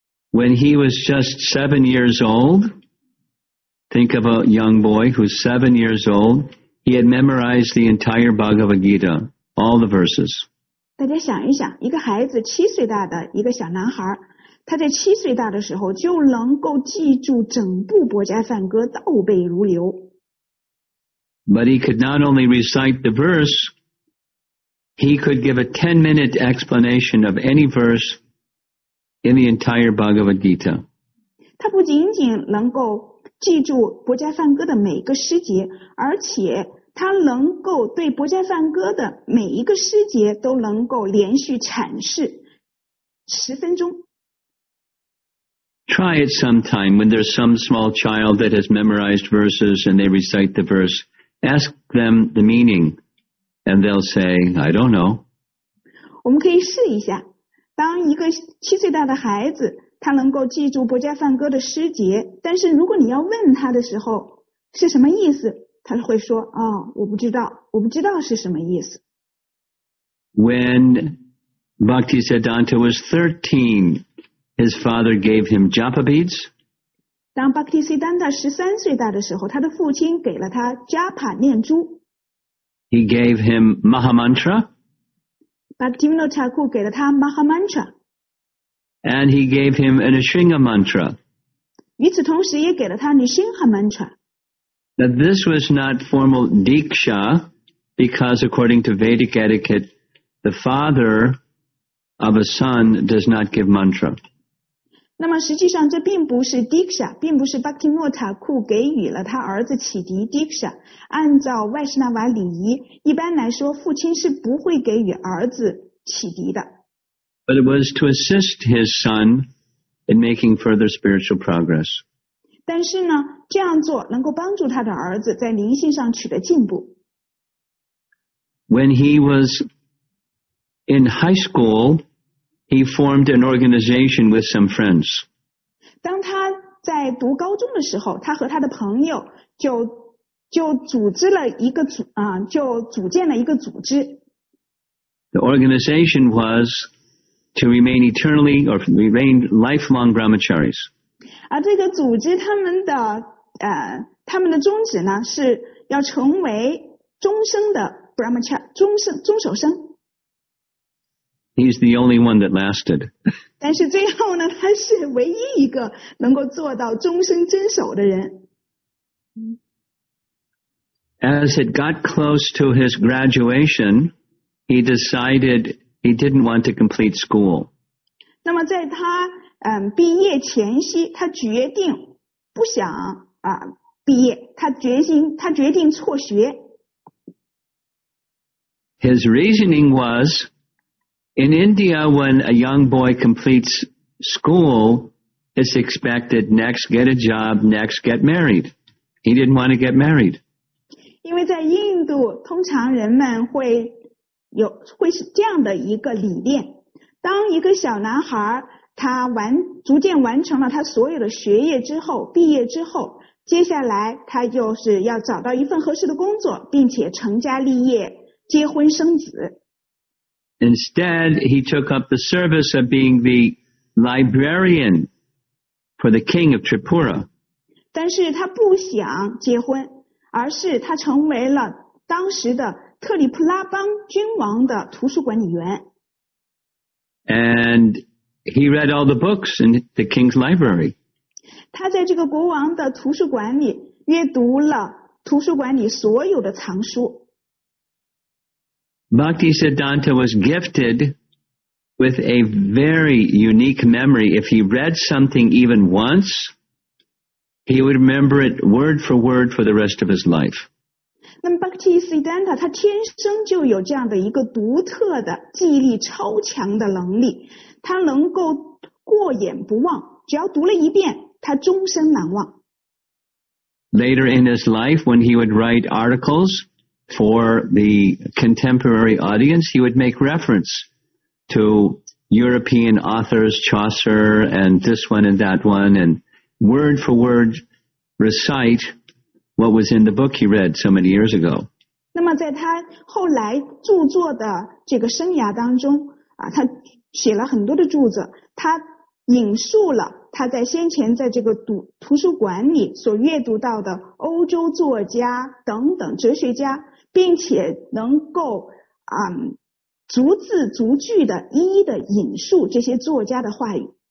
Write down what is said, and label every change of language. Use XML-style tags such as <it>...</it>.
<en>When he was just 7 years old, think of a young boy who's 7 years old, he had memorized the entire Bhagavad Gita, all the verses.</en> <zh>大家想一想，一个孩子七岁大的一个小男孩，他在七岁大的时候就能够记住整部《博伽梵歌》倒背如流。</zh> <en>But he could not only recite the verse, he could give a 10-minute explanation of any verse in the entire Bhagavad Gita.</en> <zh>他不仅仅能够记住《博伽梵歌》的每个诗节，而且他能够对《博伽梵歌》的每一个诗节都能够连续阐释十分钟。</zh> <en>Try it sometime when there's some small child that has memorized verses and they recite the verse. Ask them the meaning and they'll say, I don't know.</en> <zh>我们可以试一下，当一个七岁大的孩子，他能够记住博伽梵歌的诗节，但是如果你要问他的时候是什么意思，他会说，哦，我不知道，我不知道是什么意思。</zh> <en>When Bhaktisiddhanta was 13,His father gave him japa beads.</en> <zh>当 Bhaktisiddhanta 13岁大的时候，他的父亲给了他 japa 念珠。</zh> <en>He gave him maha mantra.</en> <zh>Bhaktivinoda Thakur 给了他 maha mantra.</zh> <en>And he gave him an Nrisingha mantra.</en> <zh>与此同时也给了他 Nrisingha mantra.</zh> <en>Now this was not formal diksha, because according to Vedic etiquette, the father of a son does not give mantra.</en> <zh>那么实际上这并不是 Diksha, 并不是 Bhakti Mota Ku 给予了他儿子启迪 Diksha。按照 Vaishnava 礼仪，一般来说父亲是不会给予儿子启迪的。</zh> <en>But it was to assist his son in making further spiritual progress.</en> <zh>但是呢，这样做能够帮助他的儿子在灵性上取得进步。</zh> <en>When he was in high school,He formed an organization with some friends.</en> <zh>当他在读高中的时候，他和他的朋友就组建了一个组织。</zh> <en>The organization was to remain eternally or remain lifelong brahmacharis.</en> <zh>而这个组织他们的宗旨呢是要成为终生的 brahmachar 终守生。</zh> <en>He's the only one that lasted.</en> <zh>但是最后呢，他是唯一一个能够做到终身遵守的人。</zh> <en>As it got close to his graduation, he decided he didn't want to complete school.</en> <zh>那么在他毕业前夕，他决定不想毕业，他决定辍学。</zh> <en>His reasoning was,In India, when a young boy completes school, it's expected next get a job, next get married. He didn't want to get married.</en> <zh>因为在印度，通常人们会是这样的一个理念：当一个小男孩他逐渐完成了他所有的学业之后，毕业之后，接下来他就是要找到一份合适的工作，并且成家立业，结婚生子。</zh> <en>Instead, he took up the service of being the librarian for the king of Tripura.</en> <zh>但是他不想结婚，而是他成为了当时的特里普拉邦君王的图书管理员。</zh> <en>And he read all the books in the king's library.</en> <zh>他在这个国王的图书馆里阅读了图书馆里所有的藏书。</zh> <en>Bhaktisiddhanta was gifted with a very unique memory. If he read something even once, he would remember it word for word for the rest of his life.</en> <zh>那么 Bhaktisiddhanta 他天生就有这样的一个独特的记忆力超强的能力，他能够过眼不忘，只要读了一遍，他终身难忘。</zh> <en>Later in his life, when he would write articles,For the contemporary audience, he would make reference to European authors, Chaucer, and this one and that one, and word for word recite what was in the book he read so many years ago.</en> <zh>那么在他后来著作的这个生涯当中啊，他写了很多的著作，他引述了他在先前在这个图书馆里所阅读到的欧洲作家等等哲学家，并且能够逐字逐句的一一的引述这些作家的话语。</zh>